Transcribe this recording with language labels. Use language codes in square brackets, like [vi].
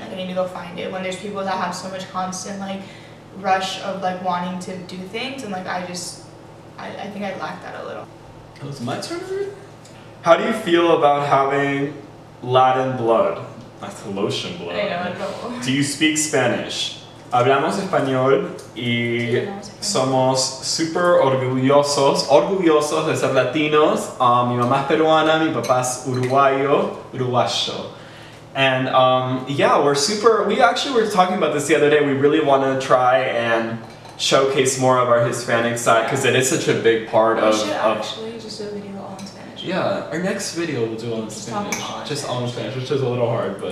[en] Like, I need to go find it. When there's people that have so much constant like rush of like wanting to do things, and like I think I lack that a little. It was my turn. How do you feel about having Latin blood? That's the lotion blood. I know. No. Do you speak Spanish? [es] Hablamos español y somos super orgullosos. Orgullosos de ser latinos. Mi mamá es peruana, mi papá es uruguayo. [en] And yeah, we actually were talking about this the other day. We really want to try and showcase more of our Hispanic side because it is such a big part of. We should actually just do a video all in Spanish. Yeah, our next video we'll do all in Spanish. Just all in Spanish, which is a little hard, but